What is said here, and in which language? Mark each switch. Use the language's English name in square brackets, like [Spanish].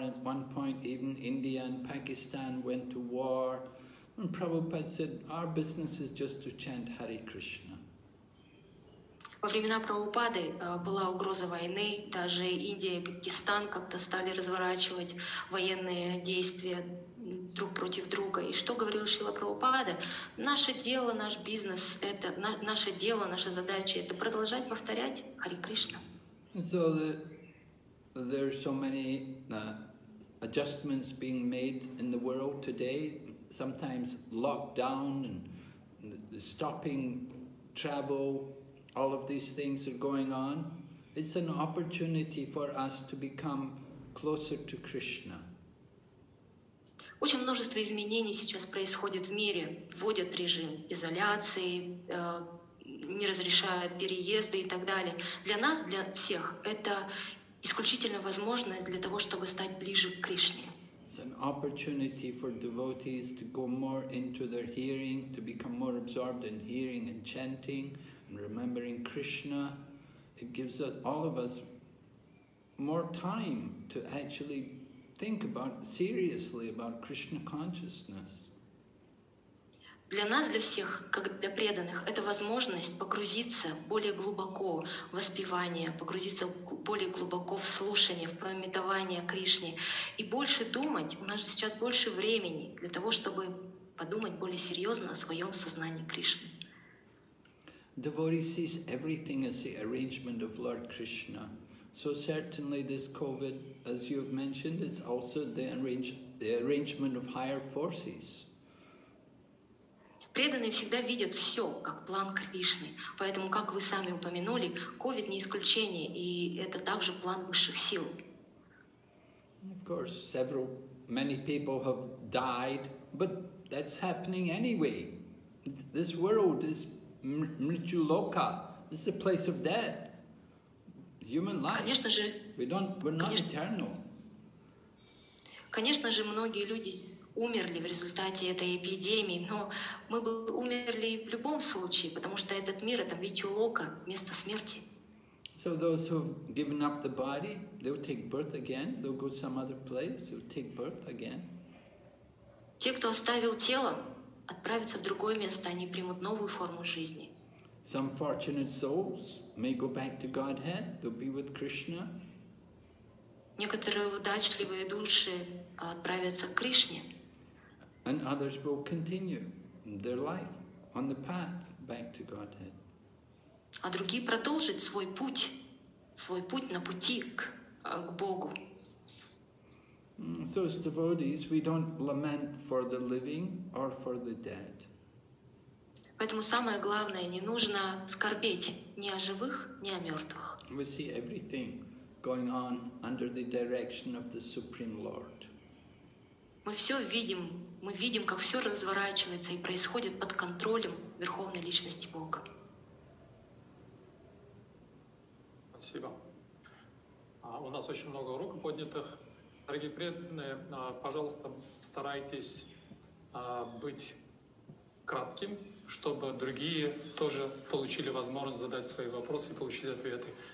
[English] At one point, even India and Pakistan went to war. And Prabhupada said, our business is just to chant Hare Krishna. [Russian] Во времена Прабхупады была угроза войны, даже Индия и Пакистан как-то стали разворачивать военные действия друг против друга. И что говорил Шрила Прабхупада? Наше дело, наш бизнес, это наше дело, наша задача — это продолжать повторять Хари Кришна. [English] So there are so many adjustments being made in the world today, sometimes lockdown and stopping travel. All of these things are going on. It's an opportunity for us to become closer to Krishna. [Russian] Очень множество изменений сейчас происходит в мире. Вводят режим изоляции, не разрешают переезды и так далее. Для нас, для всех, это исключительно возможность для того, чтобы стать ближе к Кришне. [English] It's an opportunity for devotees to go more into their hearing, to become more absorbed in hearing and chanting. And remembering Krishna, it gives us, all of us, more time to actually think about, seriously about Krishna consciousness. [Russian] Для нас, для всех, как для преданных, это возможность погрузиться более глубоко в воспевание, погрузиться более глубоко в слушание, в памятование Кришне, и больше думать. У нас сейчас больше времени для того, чтобы подумать более серьезно о своем сознании Кришны. [English] Devotee sees everything as the arrangement of Lord Krishna. So certainly this COVID, as you have mentioned, is also the arrangement of higher forces. [Russian] Преданные всегда видят все как план Кришны. Поэтому, как вы сами упомянули, COVID не исключение, и это также план высших сил. [English] Of course, many people have died, but that's happening anyway. This world is Mrityuloka. This is a place of death. Human life. [Russian] Конечно же. [English] We're not eternal. [Russian] Конечно же, многие люди умерли в результате этой эпидемии, но мы бы умерли в любом случае, потому что этот мир — это Mrityuloka, место смерти. [English] So those who have given up the body, they'll take birth again. They'll go to some other place. They'll take birth again. [Russian] Те, кто оставил тело, отправиться в другое место, они примут новую форму жизни. [English] Some fortunate souls may go back to Godhead, they'll be with Krishna. [Russian] Некоторые удачливые души отправятся к Кришне. [English] And others will continue their life on the path back to Godhead. [Russian] А другие продолжат свой путь на пути к Богу. [English] So as devotees, we don't lament for the living or for the dead. [Russian] Поэтому самое главное, не нужно скорбеть ни о живых, ни о мертвых. [English] We see everything going on under the direction of the Supreme Lord. [Russian] Мы все видим, как все разворачивается и происходит под контролем Верховной Личности Бога. Спасибо. У нас очень много рук поднятых. Дорогие преданные, пожалуйста, старайтесь быть кратким, чтобы другие тоже получили возможность задать свои вопросы и получить ответы.